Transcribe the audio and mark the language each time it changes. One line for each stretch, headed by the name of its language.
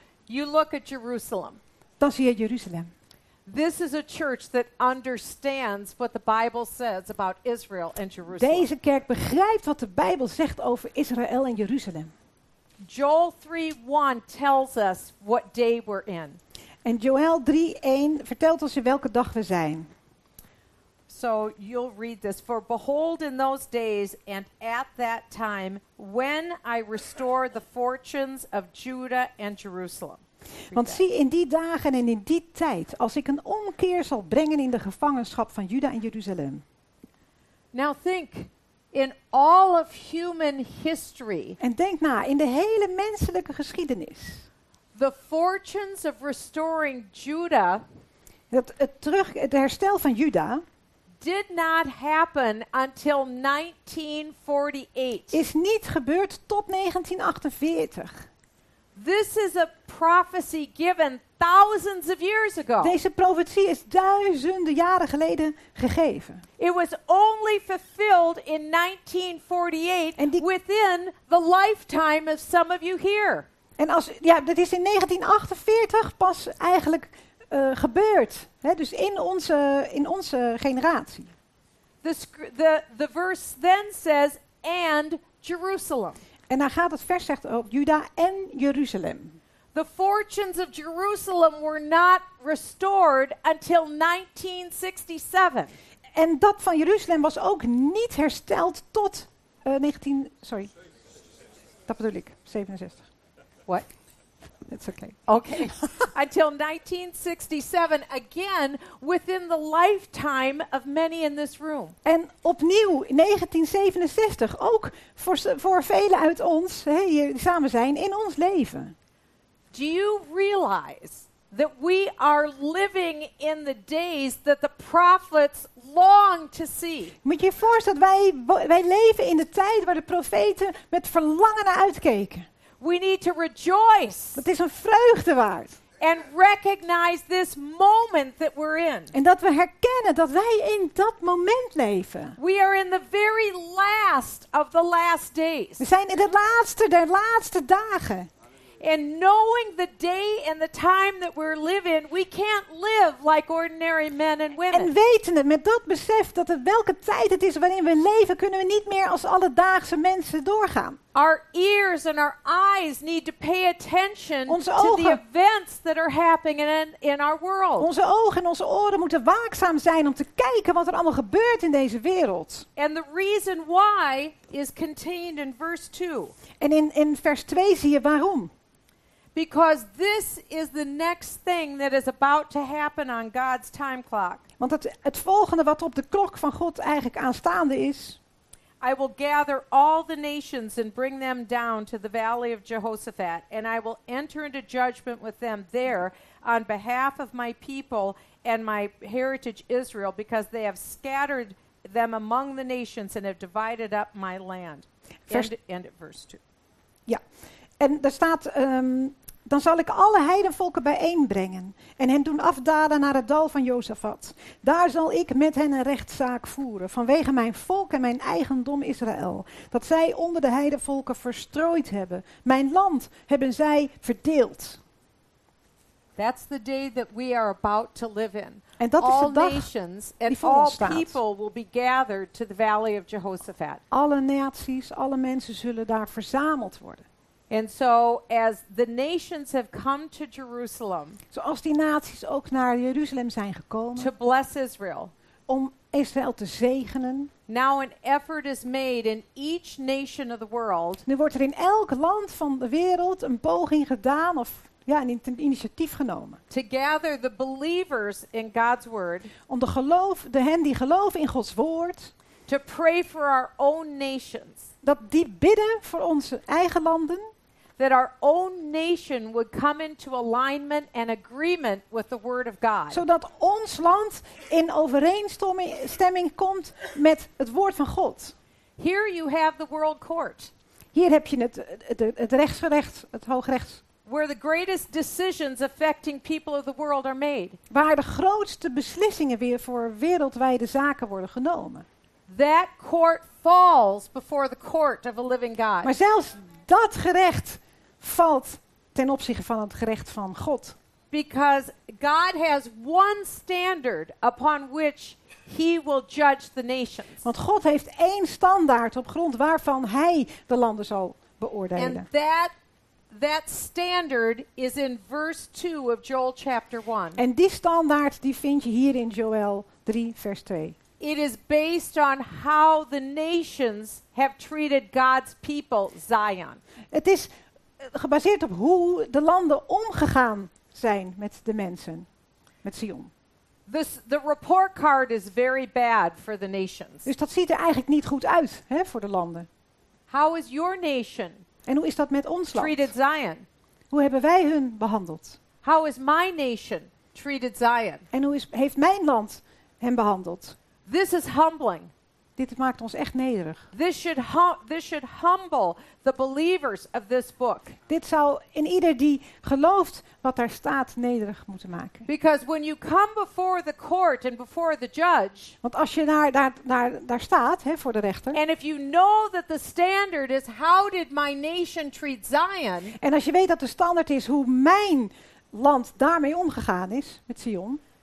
English: You look at Jerusalem.
Dutch: Dan zie je Jeruzalem.
English: This is a church that understands what the Bible says about Israel and Jerusalem.
Dutch: Deze kerk begrijpt wat de Bijbel zegt over Israël en Jeruzalem.
English: Joel 3:1 tells us what day we're in.
Dutch: En Joel 3:1 vertelt ons in welke dag we zijn.
English: So you'll read this. For behold, in those days and at that time, when I restore the fortunes of Judah and Jerusalem.
Dutch: Want zie, in die dagen en in die tijd, als ik een omkeer zal brengen in de gevangenschap van Juda en Jeruzalem.
English: Now think, in all of human history.
Dutch: En denk na, in de hele menselijke geschiedenis.
English: The fortunes of restoring Judah.
Dutch: Het herstel van Juda.
English: Did not happen until 1948.
Dutch: Is niet gebeurd tot 1948.
English: This is a prophecy given thousands of years ago.
Dutch: Deze profetie is duizenden jaren geleden gegeven.
English: It was only fulfilled in 1948 within the lifetime of some of you here.
Dutch: En als dat is in 1948 pas eigenlijk gebeurd. He, dus in onze generatie.
English: The verse then says, and Jerusalem.
Dutch: En dan gaat het vers zegt over Juda en Jeruzalem.
English: The fortunes of Jerusalem were not restored until 1967.
Dutch: En dat van Jeruzalem was ook niet hersteld tot 67.
English: What? It's okay. Okay. Until 1967, again, within the lifetime of many in this room.
Dutch: En opnieuw, 1967, ook voor velen uit ons, hier samen zijn, in ons leven.
English: Do you realize that we are living in the days that the prophets long to see?
Dutch: Moet je je voorstellen dat wij leven in de tijd waar de profeten met verlangen naar uitkeken.
English: We need to rejoice.
Dutch: Het is een vreugde waard.
English: And recognize this moment that we're in.
Dutch: En dat we herkennen dat wij in dat moment leven.
English: We are in the very last of the last days.
Dutch: We zijn in het laatste der laatste dagen.
English: And knowing the day and the time that we're living, we can't live like ordinary men and women.
Dutch: En wetende met dat besef dat het welke tijd het is waarin we leven, kunnen we niet meer als alledaagse mensen doorgaan.
English: Our ears and our eyes need to pay attention
Dutch: onze
English: to
Dutch: ogen,
English: the events that are happening in our world.
Dutch: Onze ogen en onze oren moeten waakzaam zijn om te kijken wat er allemaal gebeurt in deze wereld.
English: And the reason why is contained in verse 2.
Dutch: En in vers 2 zie je waarom.
English: Because this is the next thing that is about to happen on God's time clock.
Dutch: Want het volgende wat op de klok van God eigenlijk aanstaande is.
English: I will gather all the nations and bring them down to the valley of Jehoshaphat, and I will enter into judgment with them there on behalf of my people and my heritage Israel, because they have scattered them among the nations and have divided up my land. End at verse 2.
Dutch: Ja, en daar staat, dan zal ik alle heidenvolken bijeenbrengen en hen doen afdalen naar het dal van Jozefat. Daar zal ik met hen een rechtszaak voeren vanwege mijn volk en mijn eigendom Israël, dat zij onder de heidenvolken verstrooid hebben. Mijn land hebben zij verdeeld.
English: That's the day that we are about to live in.
Dutch: En dat
English: all
Dutch: is de dag
English: nations and all people will be gathered to the valley of Jehoshaphat.
Dutch: Alle naties, alle mensen zullen daar verzameld worden.
English: And so as the nations have come to Jerusalem.
Dutch: Zoals die naties ook naar Jeruzalem zijn gekomen.
English: To bless Israel.
Dutch: Om Israël te zegenen.
English: Now an effort is made in each nation of the world.
Dutch: Nu wordt er in elk land van de wereld een poging gedaan of een initiatief genomen.
English: To gather the believers in God's word.
Dutch: Om hen die geloven in Gods woord.
English: To pray for our own nations.
Dutch: Dat die bidden voor onze eigen landen.
English: That our own nation would come into alignment and agreement with the word of God.
Dutch: Zodat ons land in overeenstemming komt met het woord van God.
English: Here you have the world court.
Dutch: Hier heb je het rechtsgerecht, het hoogrechts.
English: Where the greatest decisions affecting people of the world are made.
Dutch: Waar de grootste beslissingen weer voor wereldwijde zaken worden genomen.
English: That court falls before the court of a living God.
Dutch: Maar zelfs dat gerecht valt ten opzichte van het gerecht van God.
English: Because God has one standard upon which he will judge the nations.
Dutch: Want God heeft één standaard op grond waarvan hij de landen zal beoordelen.
English: And that standard is in verse 2 of Joel chapter 1.
Dutch: En die standaard die vind je hier in Joel 3 vers 2.
English: It is based on how the nations have treated God's people, Zion.
Dutch: Het is gebaseerd op hoe de landen omgegaan zijn met de mensen, met Zion.
English: The report card is very bad for the nations.
Dutch: Dus dat ziet er eigenlijk niet goed uit, hè, voor de landen.
English: How is your nation?
Dutch: En hoe is dat met ons land?
English: Treated Zion.
Dutch: Hoe hebben wij hun behandeld?
English: How is my nation treated Zion?
Dutch: En heeft mijn land hen behandeld?
English: This is humbling.
Dutch: Dit maakt ons echt nederig.
English: This should humble the believers of this book.
Dutch: Dit zou in ieder die gelooft wat daar staat nederig moeten maken.
English: Because when you come before the court and before the judge.
Dutch: Want als je daar staat, hè, voor de rechter.
English: And if you know that the standard is how did my nation treat Zion.
Dutch: En als je weet dat de standaard is hoe mijn land daarmee omgegaan is met Zion.